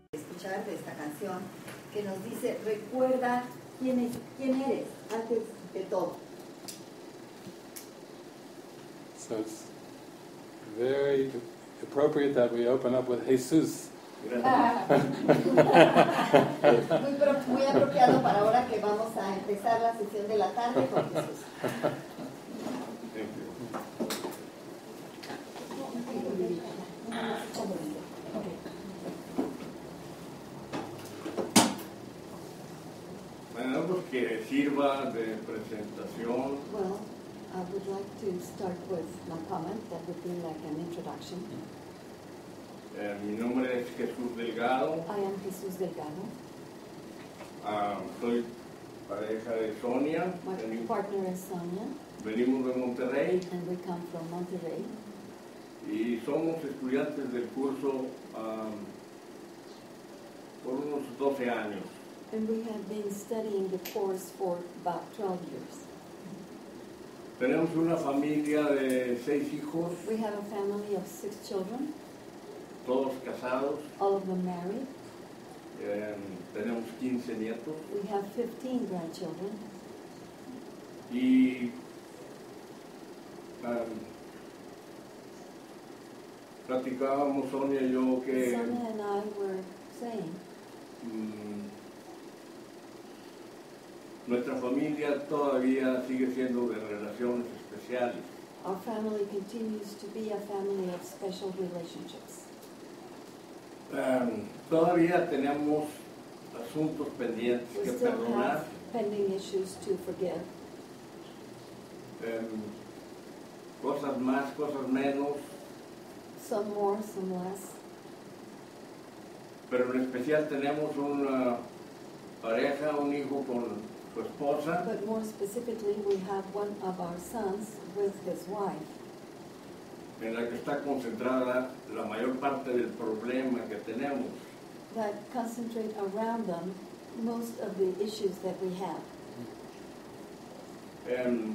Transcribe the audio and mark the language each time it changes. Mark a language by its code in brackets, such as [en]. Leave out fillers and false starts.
[es] Escuchar de esta canción que nos dice, recuerda quién eres antes de todo. [en] So it's very appropriate that we open up with Jesús. [es] Muy apropiado para ahora que vamos a empezar la sesión de la tarde con Jesús. [en] Thank you. [es] Bueno, pues que sirva de presentación. [en] Well, I would like to start with my comment that would be like an introduction. [es] Mi nombre es Jesús Delgado. [en] I am Jesús Delgado. [es] Soy pareja de Sonia. [en] Partner is Sonia. [es] Venimos de Monterrey. [en] And we come from Monterrey. [es] Y somos estudiantes del curso por unos 12 años. [en] And we have been studying the course for about 12 years. [es] Tenemos una familia de 6 hijos. [en] We have a family of 6 children. [es] Todos casados. [en] All of them married. [es] Tenemos 15 nietos. [en] We have 15 grandchildren. [es] Y platicábamos Sonia y yo que [en] Sonia and I were saying [es] nuestra familia todavía sigue siendo de relaciones especiales. [en] Our family continues to be a family of special relationships. [es] Todavía tenemos asuntos pendientes [en] we [es] que perdonar. [en] Pending issues to forgive. [es] Cosas más, cosas menos. [en] Some more, some less. [es] Pero en especial tenemos una pareja, un hijo con su esposa. [en] But more specifically, we have one of our sons with his wife. [es] En la que está concentrada la mayor parte del problema que tenemos. [en] That concentrate around them most of the issues that we have.